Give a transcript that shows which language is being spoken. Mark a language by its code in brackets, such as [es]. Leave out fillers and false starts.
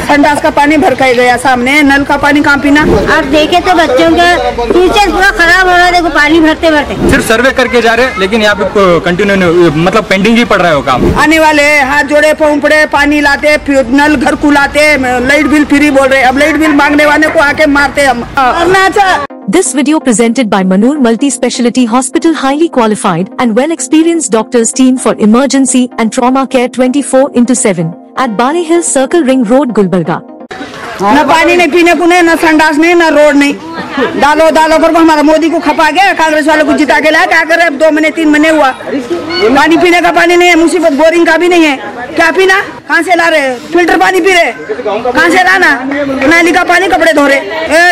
[hi] संडास का पानी भर के गया सामने, नल का पानी कहाँ पीना। आप देखे तो बच्चों का फ्यूचर पूरा खराब हो रहा है, देखो पानी भरते भरते। सिर्फ सर्वे करके जा रहे, लेकिन यहाँ पे कंटिन्यू मतलब पेंडिंग ही पड़ रहा है काम। आने वाले हाथ जोड़े पंपड़े, पानी लाते, नल घर को लाते, लाइट बिल फ्री बोल रहे। अब light bill [en] This video presented by Manur Multi-Speciality Hospital, highly qualified and well-experienced doctors team for emergency and trauma care 24/7 at Bali Hill Circle Ring Road, Gulbarga. [hi] ना पानी नहीं, पीने को नहीं, ना संडास नहीं, ना रोड नहीं। डालो डालो करके हमारा मोदी को खपा गया, कांग्रेस वालों को जिता के लाया। क्या करे, अब दो महीने तीन महीने हुआ, पानी पीने का पानी नहीं है, मुसीबत बोरिंग का भी नहीं है। क्या पीना, कहाँ से ला रहे, फिल्टर पानी पी रहे, कहाँ से लाना, नाली का पानी कपड़े धो रहे।